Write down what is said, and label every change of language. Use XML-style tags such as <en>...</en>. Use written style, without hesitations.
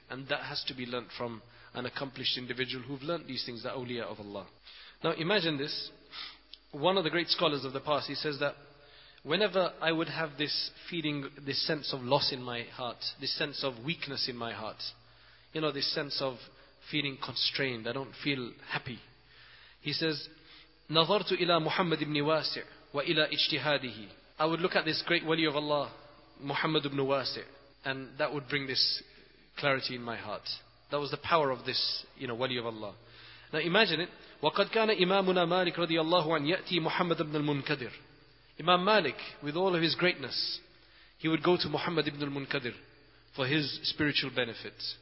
<en>And that has to be learnt from an accomplished individual who've learnt these things, the awliya of Allah. Now imagine this. One of the great scholars of the past, he says that whenever I would have this feeling, this sense of loss in my heart, this sense of weakness in my heart, you know, this sense of feeling constrained, I don't feel happy. He says,</en> <ar>نَظَرْتُ إِلَىٰ مُحَمَّدِ بْنِ وَاسِعِ وَإِلَىٰ إِجْتِهَادِهِ.</ar> <en>I would look at this great wali of Allah, Muhammad ibn Wasi', and that would bring this clarity in my heart. That was the power of this, you know, wali of Allah. Now imagine it.</en> <ar>وَقَدْ كَانَ إِمَامُنَا مَالِكَ رَضِيَ اللَّهُ عَنْ يَأْتِي مُحَمَّدَ بْنَ الْمُنْكَدِرِ.</ar> <en>Imam Malik, with all of his greatness, he would go to Muhammad ibn al-Munkadir for his spiritual benefit.</en>